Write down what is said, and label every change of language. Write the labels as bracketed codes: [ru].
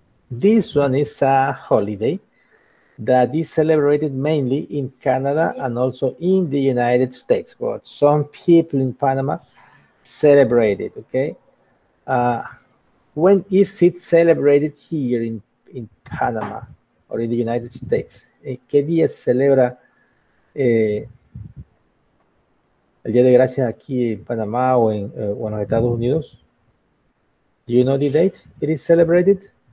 [en] This one is a holiday that is celebrated mainly in Canada and also in the United States, but some people in Panama celebrate it, okay? When is it celebrated here in Panama or in the United States? [es] ¿Qué día se celebra el Día de Gracias aquí en Panamá o en los Estados Unidos? [en] Do you know the date it is celebrated?